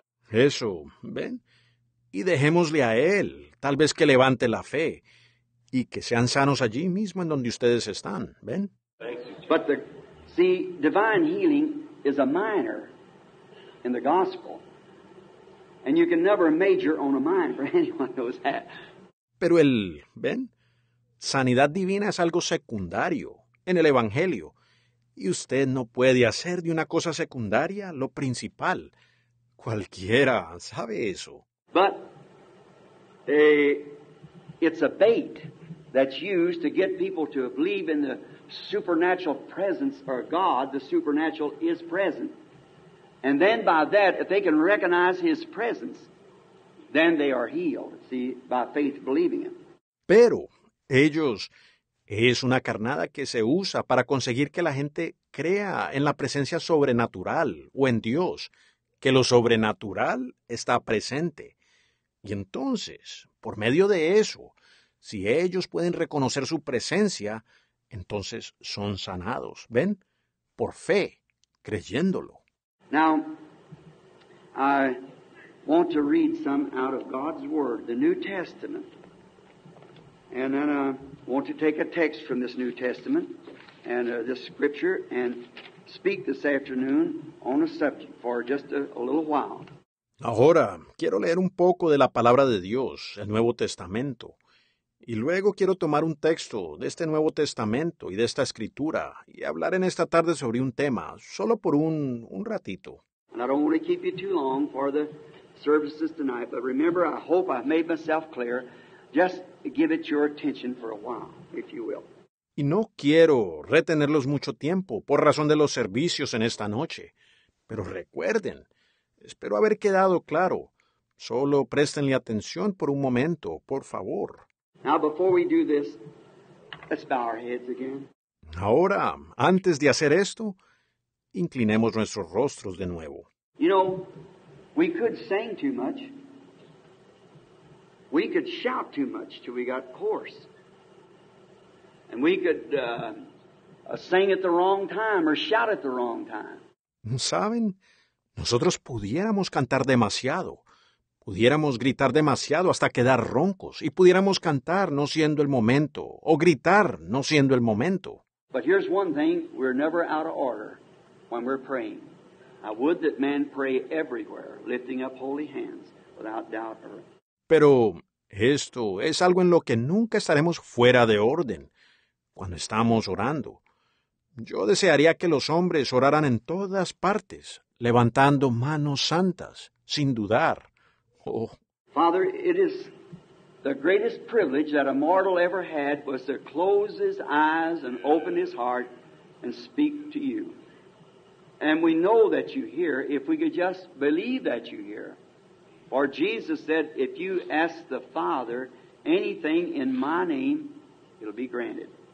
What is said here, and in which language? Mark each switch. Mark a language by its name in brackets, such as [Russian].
[Spanish] Eso, ven, y dejémosle a Él, tal vez que levante la fe, y que sean sanos allí mismo en donde ustedes están, ven. [English] But the, see, divine healing is a minor in the gospel, and you can never major on a minor, anyone knows that. [Spanish] Pero el, ven, sanidad divina es algo secundario en el Evangelio, y usted no puede hacer de una cosa secundaria lo principal. Cualquiera sabe eso. [English] But it's a bait that's used to get people to believe in the supernatural presence or God. The supernatural is present, and then by that, if they can recognize His presence, then they are healed. See, by faith believing Him. [Spanish] Pero ellos. Es una carnada que se usa para conseguir que la gente crea en la presencia sobrenatural o en Dios, que lo sobrenatural está presente. Y entonces, por medio de eso, si ellos pueden reconocer su presencia, entonces son sanados. ¿Ven? Por fe, creyéndolo. [English] Now, I want to read some out of God's Word, the New Testament. And then want to take a text from this New Testament and this scripture and speak this afternoon on a subject for just a little while. [Spanish] Ahora, quiero leer un poco de la palabra de Dios, el Nuevo Testamento. Y luego quiero tomar un texto de este Nuevo Testamento y de esta escritura y hablar en esta tarde sobre un tema, solo por un ratito. [English] And I don't want to keep you too long for the services tonight, but remember, I hope I've made myself clear. Just give it your attention for a while, if you will. [Spanish] Y no quiero retenerlos mucho tiempo por razón de los servicios en esta noche. Pero recuerden, espero haber quedado claro. Solo préstenle atención por un momento, por favor. [English] Now, before we do this, let's bow our heads again. [Spanish] Ahora, antes de hacer esto, inclinemos nuestros rostros de nuevo. [English] You know, we could sing too much. We could shout too much till we got hoarse. And we could sing at the wrong time or shout at the wrong time. [Spanish] ¿Saben? Nosotros pudiéramos cantar demasiado. Pudiéramos gritar demasiado hasta quedar roncos. Y pudiéramos cantar no siendo el momento. O gritar no siendo el momento. [English] But here's one thing. We're never out of order when we're praying. I would that man pray everywhere, lifting up holy hands without doubt or... [Spanish] Pero esto es algo en lo que nunca estaremos fuera de orden cuando estamos orando. Yo desearía que los hombres oraran en todas partes, levantando manos santas, sin dudar. Oh. [English] Father, it is the greatest privilege that a mortal ever had was to close his eyes and open his heart and speak to you. And we know that you hear if we could just believe that you hear. Or Jesus said, if you ask the Father anything in my name, it'll be granted.